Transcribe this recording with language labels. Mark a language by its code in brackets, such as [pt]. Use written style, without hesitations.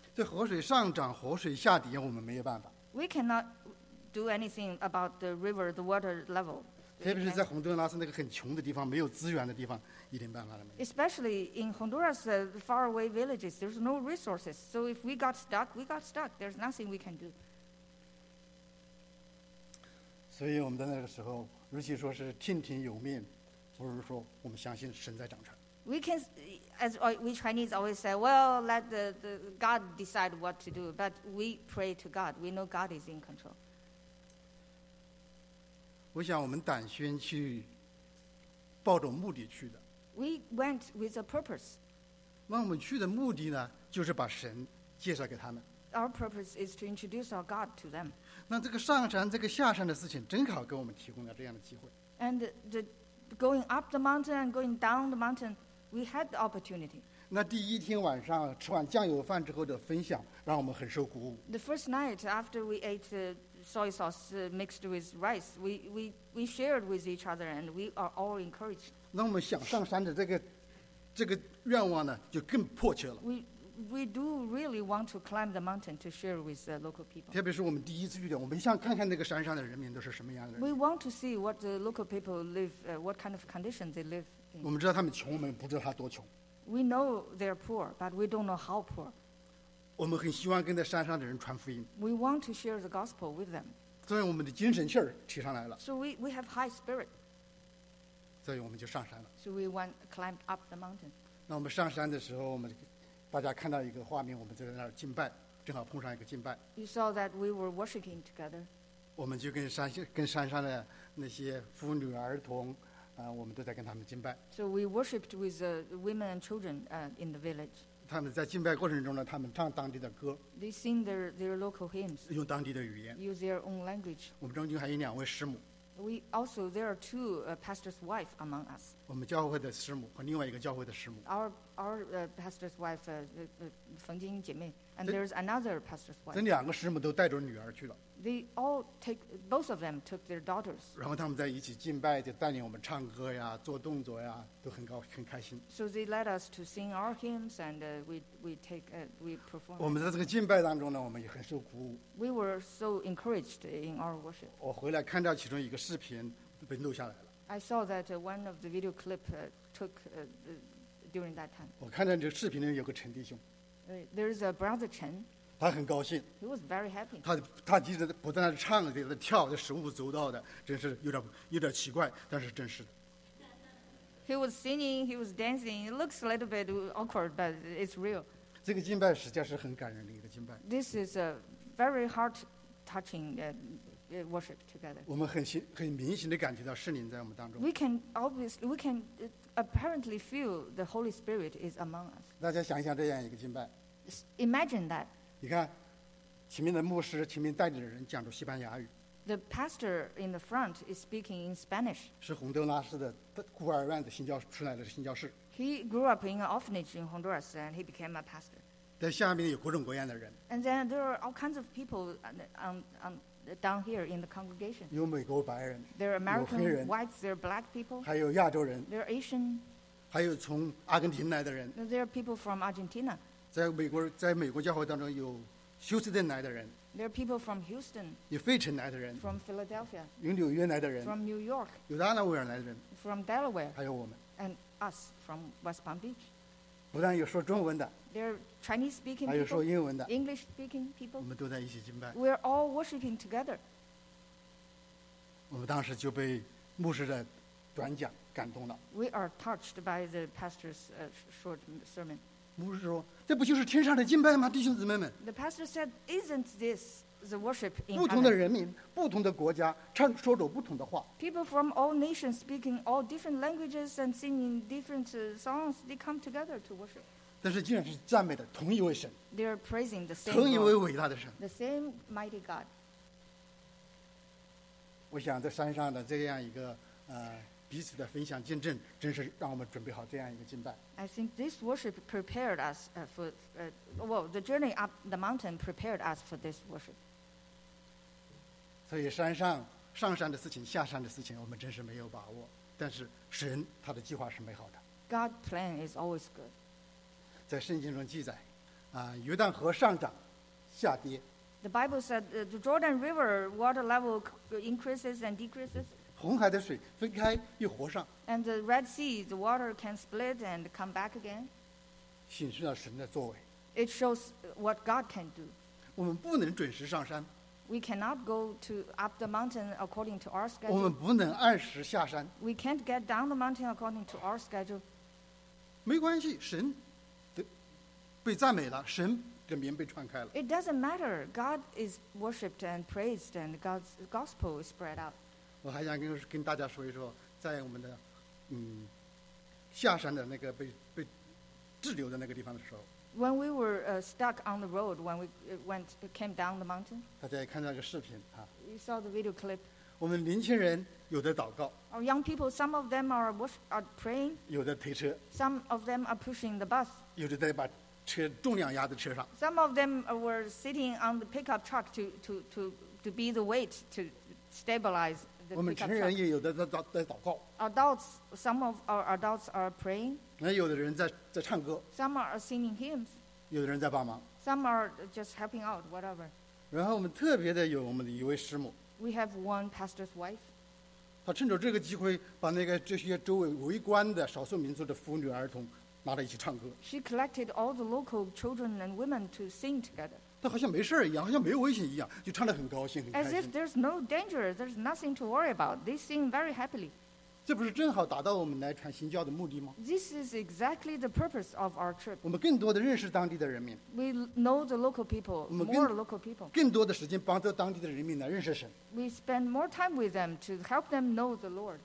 [zh] 这河水上涨，河水下跌，我们没有办法。 [en] We cannot. Do anything about the river, the water level. [zh] 特别是在洪都拉斯那个很穷的地方，没有资源的地方，一点办法都没有。 [en] Especially in Honduras, faraway villages, there's no resources. So if we got stuck, we got stuck. There's nothing we can do. [zh] 所以我们在那个时候，与其说是听天由命，不如说我们相信神在掌权。 [en] We can, as we Chinese always say, well, let the God decide what to do. But we pray to God. We know God is in control. [zh] 我想我们胆宣去抱着目的去的。 [en] We went with a purpose. [zh] 那我们去的目的呢，就是把神介绍给他们。 [en] Our purpose is to introduce our God to them. [zh] 那这个上山这个下山的事情正好给我们提供了这样的机会。 [en] And the going up the mountain and going down the mountain, we had the opportunity. [zh] 那第一天晚上吃完酱油饭之后的分享让我们很受鼓舞。 [en] The first night after we ate soy sauce mixed with rice, we shared with each other and we are all encouraged. [zh] 那我们想上山的这个愿望呢，就更迫切了。 [en] We do really want to climb the mountain to share with the local people. [zh] 特别是我们第一次遇到，我们想看看那个山上的人民都是什么样的人。 [en] We want to see what the local people live, what kind of condition they live in. [zh] 我们知道他们穷，我们不知道他多穷。 [en] We know they're poor, but we don't know how poor. [zh] 我们很希望跟在山上的人传福音。 [en] We want to share the gospel with them. [zh] 所以我们的精神气儿提上来了。 [en] So we have high spirit. [zh] 所以我们就上山了。 [en] So we went climbed up the mountain. [zh] 那我们上山的时候，我们大家看到一个画面，我们就在那儿敬拜，正好碰上一个敬拜。 [en] You saw that we were worshiping together. [zh] 我们就跟山上的那些妇女儿童，我们都在跟他们敬拜。 [en] So we worshipped with the women and children, in the village. [zh] 他们在敬拜过程中呢，他们唱当地的歌。 [en] They sing their local hymns. [zh] 用当地的语言。 [en] Use their own language. [zh] 我们中间还有两位师母。 [en] We also there are two pastors' wife among us. [zh] 我们教会的师母和另外一个教会的师母。 [en] Our pastor's wife, 冯金姐妹 ，and there's another pastor's wife. [zh] 这两个师母都带着女儿去了。 [en] They all take both of them took their daughters. [zh] 然后他们在一起敬拜，就带领我们唱歌呀，做动作呀，都很高很开心。 [en] So they led us to sing our hymns, and we perform. [zh] 我们在这个敬拜当中呢，我们也很受鼓舞。 [en] We were so encouraged in our worship. [zh] 我回来看到其中一个视频被录下来了。 [en] I saw that one of the video clip took during that time. [zh] 我看到这个视频里有个陈弟兄。 [en] There is a brother Chen. [zh] 他很高兴 [en] He was very happy. [zh] 他一直不断地唱在那跳在手舞足蹈的真是有点奇怪但是真是的 [en] He was singing, he was dancing It looks a little bit awkward but it's real [zh] 这个敬拜实际上是很感人的一个敬拜 [en] This is a very heart-touching worship together [zh] 我们很明显地感觉到圣灵在我们当中 [en] We can apparently feel the Holy Spirit is among us [zh] 大家想一想这样一个敬拜 [en] Imagine that [zh] 你看，前面的牧师，前面带领的人讲着西班牙语。 [en] The pastor in the front is speaking in Spanish. [zh] 是洪都拉斯的孤儿院的新教出来的新教士。 [en] He grew up in an orphanage in Honduras, and he became a pastor. [zh] 在下面有各种各样的人。 [en] And then there are all kinds of people on down here in the congregation. [zh] 有美国白人。 [en] There are American whites. There are black people. [zh] 还有亚洲人。 [en] There are Asian. [zh] 还有从阿根廷来的人。 [en] There are people from Argentina. [zh] 在美国教会当中有休斯顿来的人 [en] There are people from Houston [zh] 有费城来的人 [en] From Philadelphia [zh] 有纽约来的人 [en] From New York [zh] 有达拉维尔来的人 [en] From Delaware [zh] 还有我们 [en] And us from West Palm Beach [zh] 不但有说中文的 [en] There are Chinese speaking [zh] 还有说英文的 [en] English speaking people [zh] 我们都在一起敬拜 [en] We are all worshiping together [zh] 我们当时就被牧师的短讲感动了 [en] We are touched by the pastor's short sermon [zh] 牧师说这不就是天上的敬拜吗，弟兄姊妹们 [en] ？The pastor said, "Isn't this the worship in heaven?" [zh] 不同的人民，不同的国家，唱说着不同的话。 [en] People from all nations speaking all different languages and singing different songs, they come together to worship. [zh] 但是竟然是赞美的同一位神。 [en] They are praising the same. [zh] 同一位伟大的神。 [en] The same mighty God. [zh] 我想在山上的这样一个彼此的分享见证，真是让我们准备好这样一个敬拜。 [en] I think this worship prepared us the journey up the mountain prepared us for this worship. [zh] 所以山上上山的事情，下山的事情，我们真是没有把握。但是神他的计划是美好的。 [en] God's plan is always good. [zh] 在圣经中记载，约旦河上涨，下跌。 [en] The Bible said the Jordan River water level increases and decreases. [zh] 红海的水分开又活上 [en] and the Red Sea the water can split and come back again [zh] 显示了神的作为 [en] it shows what God can do [zh] 我们不能准时上山 [en] we cannot go to up the mountain according to our schedule [zh] 我们不能按时下山 [en] we can't get down the mountain according to our schedule [zh] 没关系神被赞美了神的名被传开了 [en] it doesn't matter God is worshipped and praised and God's gospel is spread out [zh] 我还想跟大家说一说，在我们的下山的那个被滞留的那个地方的时候。 [en] When we were stuck on the road, when we went came down the mountain. [zh] 大家也看到这个视频啊。 [en] You saw the video clip. [zh] 我们年轻人有的祷告。 [en] Our young people, some of them are praying. [zh] 有的推车。 [en] Some of them are pushing the bus. [zh] 有的在把车重量压在车上。 [en] Some of them were sitting on the pickup truck to be the weight to stabilize. [zh] 我们成人也有的在祷告。 [en] Adults, some of our adults are praying. [zh] 那有的人在唱歌。 [en] Some are singing hymns. [zh] 有的人在帮忙。 [en] Some are just helping out, whatever. [zh] 然后我们特别的有我们的一位师母。 [en] We have one pastor's wife. [zh] 她趁着这个机会，把那个这些周围围观的少数民族的妇女儿童拉到一起唱歌。 [en] She collected all the local children and women to sing together. [zh] 但好像没事一样，好像没有危险一样，就唱得很高兴，很开心。 [en] As if there's no danger, there's nothing to worry about. They sing very happily. [zh] 这不是正好达到我们来传新教的目的吗 [en] ？This is exactly the purpose of our trip. [zh] 我们更多的认识当地的人民。 [en] We know the local people, more local people. [zh] 更多的时间帮助当地的人民来认识神。 [en] We spend more time with them to help them know the Lord.